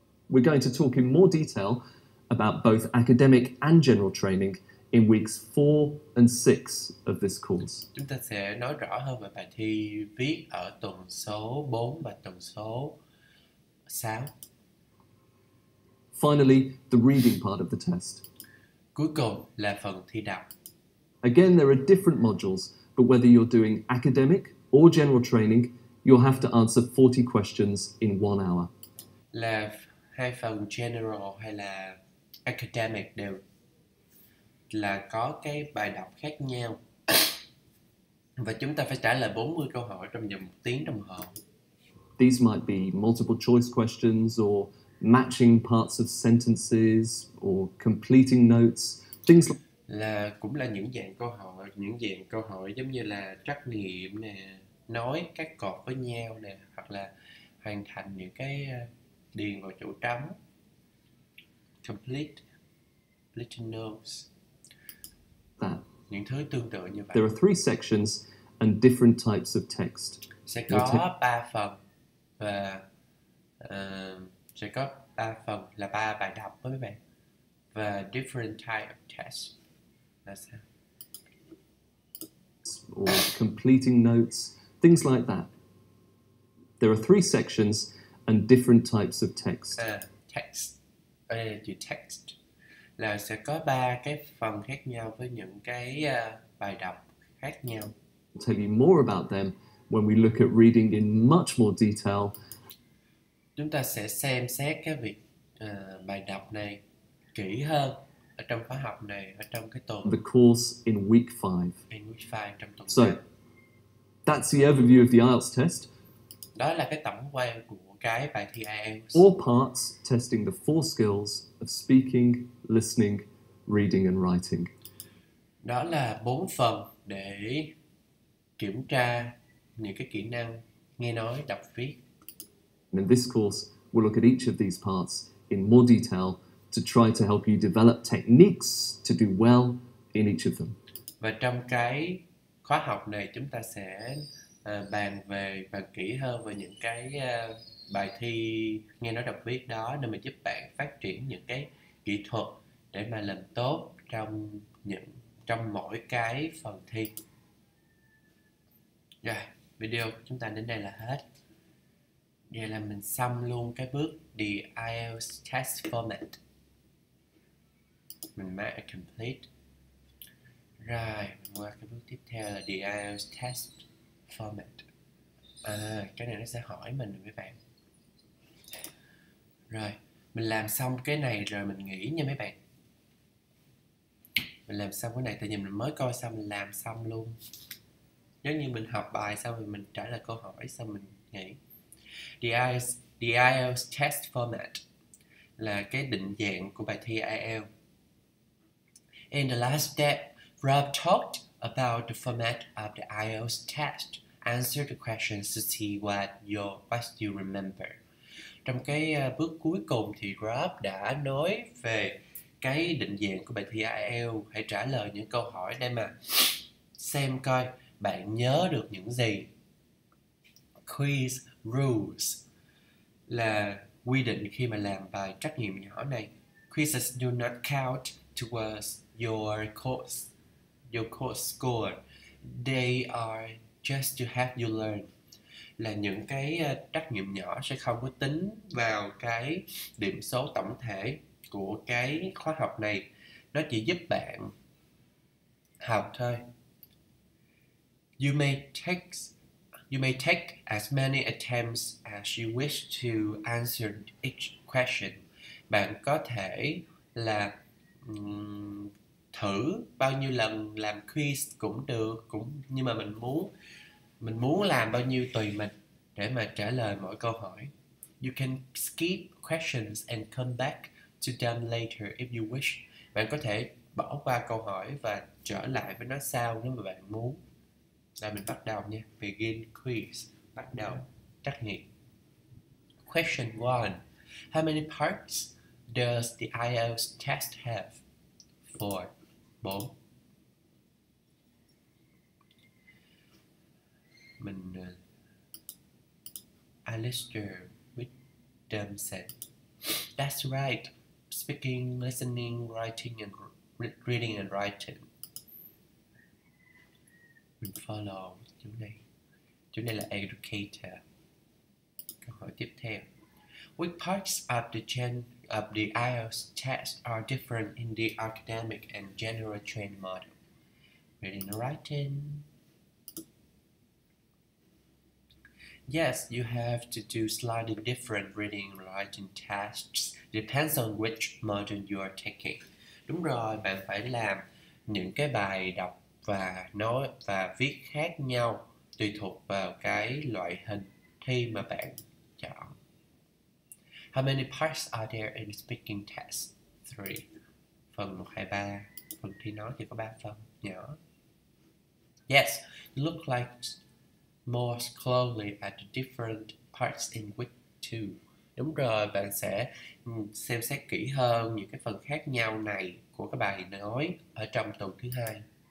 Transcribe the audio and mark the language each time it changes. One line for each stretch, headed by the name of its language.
English: We're going to talk in more detail about both academic and general training in weeks 4 and 6 of this course.
Vietnamese: Chúng ta sẽ nói rõ hơn về bài thi viết ở tuần số 4 và tuần số 6.
English: Finally, the reading part of the test.
Vietnamese: Cuối cùng là phần thi đọc.
English: Again, there are different modules, but whether you're doing academic or general training, you'll have to answer 40 questions in 1 hour.
Vietnamese: Là hai phần general hay là academic đều là có cái bài đọc khác nhau. Và chúng ta phải trả lời 40 câu hỏi trong vòng 1 tiếng đồng hồ.
English: These might be multiple choice questions or matching parts of sentences or completing notes, things like
Vietnamese: là cũng là những dạng câu hỏi giống như là trắc nghiệm nè, nói các cột với nhau nè, hoặc là hoàn thành những cái điền vào chỗ trống,
English: complete notes,
Vietnamese: những thứ tương tự như vậy.
English: There are three sections and different types of text.
Vietnamese: Sẽ có ba phần và sẽ có ba phần là ba bài đọc với mấy bạn và
English: different type of test
Vietnamese: là sao?
English: Or completing notes, things like that. There are three sections and different types of text.
Vietnamese: Text. Ở đây là chữ text. Là sẽ có ba cái phần khác nhau với những cái bài đọc khác nhau.
English: I'll tell you more about them when we look at reading in much more detail.
Vietnamese: Chúng ta sẽ xem xét cái việc bài đọc này kỹ hơn ở trong khóa học này, ở trong cái tuần.
English: The course in week 5. In week 5
Vietnamese: trong tuần.
English: So, that's the overview of the IELTS test.
Vietnamese: Đó là cái tổng quan của cái bài thi IELTS.
English: All parts testing the four skills of speaking, listening, reading and writing.
Vietnamese: Đó là bốn phần để kiểm tra những cái kỹ năng nghe nói, đọc viết.
English: And in this course, we'll look at each of these parts in more detail to try to help you develop techniques to do well in each of them.
Vietnamese: Và trong cái khóa học này, chúng ta sẽ bàn về và kỹ hơn về những cái bài thi nghe nói đọc viết đó để mà giúp bạn phát triển những cái kỹ thuật để mà làm tốt trong những trong mỗi cái phần thi. Rồi, video chúng ta đến đây là hết. Vậy là mình xong luôn cái bước
English: the IELTS test format.
Vietnamese: Mình
English: mark complete.
Vietnamese: Rồi, mình qua cái bước tiếp theo là
English: the IELTS test format.
Vietnamese: À, cái này nó sẽ hỏi mình rồi mấy bạn. Rồi, mình làm xong cái này rồi mình nghỉ nha mấy bạn. Mình làm xong cái này, tại vì mình mới coi xong, mình làm xong luôn. Giống như mình học bài xong rồi mình trả lời câu hỏi xong mình nghỉ.
English: The IELTS test format
Vietnamese: là cái định dạng của bài thi IELTS.
English: In the last step, Rob talked about the format of the IELTS test. Answer the questions to see what you remember.
Vietnamese: Trong cái bước cuối cùng thì Rob đã nói về cái định dạng của bài thi IELTS. Hãy trả lời những câu hỏi để mà xem coi bạn nhớ được những gì. Quiz rules là quy định khi mà làm bài trắc nghiệm nhỏ này.
English: Quizzes do not count towards your course score. They are just to help you learn.
Vietnamese: Là những cái trắc nghiệm nhỏ sẽ không có tính vào cái điểm số tổng thể của cái khóa học này. Nó chỉ giúp bạn học thôi.
English: You may take as many attempts as you wish to answer each question.
Vietnamese: Bạn có thể là thử bao nhiêu lần làm quiz cũng được, cũng nhưng mà mình muốn làm bao nhiêu tùy mình để mà trả lời mỗi câu hỏi.
English: You can skip questions and come back to them later if you wish.
Vietnamese: Bạn có thể bỏ qua câu hỏi và trở lại với nó sau nếu mà bạn muốn. Đây mình bắt đầu nha.
English: Begin quiz.
Vietnamese: Bắt đầu trắc nghiệm.
English: Question 1. How many parts does the IELTS test have? 4. 4.
Vietnamese: Mình
English: Alistair Whittemson. That's right. Speaking, listening, writing and reading and writing. Follow
Vietnamese: chỗ này là educator. Câu hỏi tiếp theo.
English: Which parts of the IELTS test are different in the academic and general training model? Reading and writing. Yes, you have to do slightly different reading and writing tests. Depends on which model you are taking.
Vietnamese: Đúng rồi, bạn phải làm những cái bài đọc và nói và viết khác nhau tùy thuộc vào cái loại hình thi mà bạn chọn.
English: How many parts are there in the speaking test?
Vietnamese: 3. Phần 1, 2, 3. Phần thi nói thì có 3 phần nhỏ.
English: Yes, look like more closely at the different parts in week 2.
Vietnamese: Đúng rồi, bạn sẽ xem xét kỹ hơn những cái phần khác nhau này của cái bài nói ở trong tuần thứ 2.